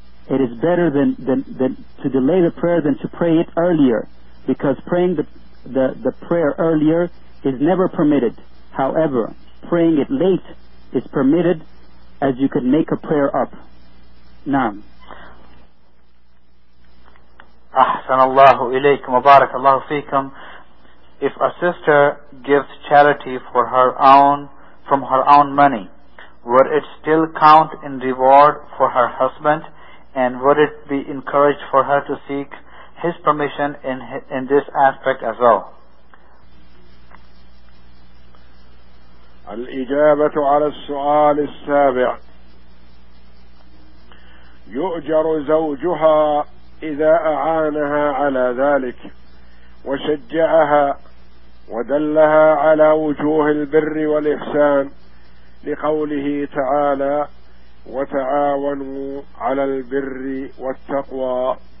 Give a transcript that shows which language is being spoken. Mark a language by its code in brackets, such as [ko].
[en] It is better than to delay the prayer than to pray it earlier, because praying the prayer earlier is never permitted. However, praying it late is permitted, as you can make a prayer up. [ar] Naam. أحسن الله إليكم وبارك الله فيكم. [en] If a sister gives charity for her own, from her own money, would it still count in reward for her husband, and would it be encouraged for her to seek his permission in this aspect as well? [ar] الإجابة على السؤال السابع. يؤجر زوجها إذا أعانها على ذلك وشجعها ودلها على وجوه البر والإحسان، لقوله تعالى: وتعاونوا على البر والتقوى.